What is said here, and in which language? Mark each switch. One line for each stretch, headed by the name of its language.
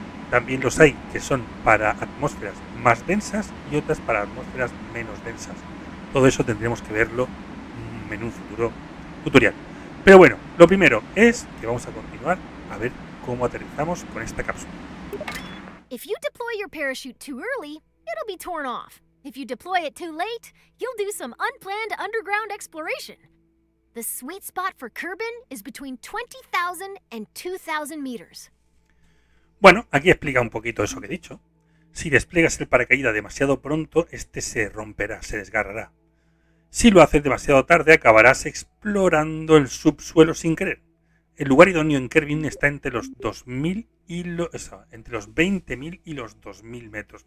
Spanish: También los hay que son para atmósferas más densas y otras para atmósferas menos densas. Todo eso tendremos que verlo en un futuro tutorial. Pero bueno, lo primero es que vamos a continuar a ver cómo aterrizamos con esta cápsula.
English: If you deploy your parachute too early, it'll be torn off. If you deploy it too late, you'll do some unplanned underground exploration. The sweet spot for Kerbin is between 20,000 and 2,000 meters.
Spanish: Bueno, aquí explica un poquito eso que he dicho. Si despliegas el paracaídas demasiado pronto, este se romperá, se desgarrará. Si lo haces demasiado tarde, acabarás explorando el subsuelo sin querer. El lugar idóneo en Kerbin está entre los 2000 y lo, eso, entre los 20.000 y los 2000 metros.